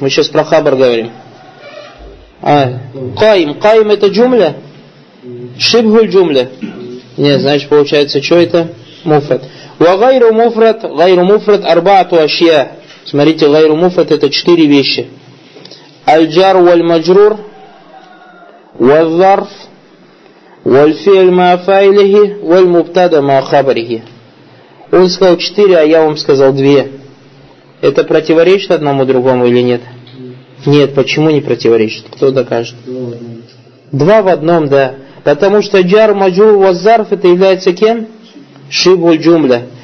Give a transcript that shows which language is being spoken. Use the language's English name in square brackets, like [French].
[Russian] Мы сейчас про хабр говорим. Каим. Каим это джумля? Шибхуль джумля? Нет, значит, получается, что это? Муфрат. [Arabic] Ва гайру муфрат, гайру муфрат, арбаату ашья. [Russian] Смотрите, гайру муфрат это четыре вещи. [Arabic] الجار والمجرور والظرف والفعل ما فعله والمبتدا ما خبره. [Russian] Он сказал четыре, а я вам сказал две. Это противоречит одному другому или нет? Нет, почему не противоречит? Кто докажет? Два в одном, да. Потому что джар, маджрур, вазарф это является кем? Шибху джумля.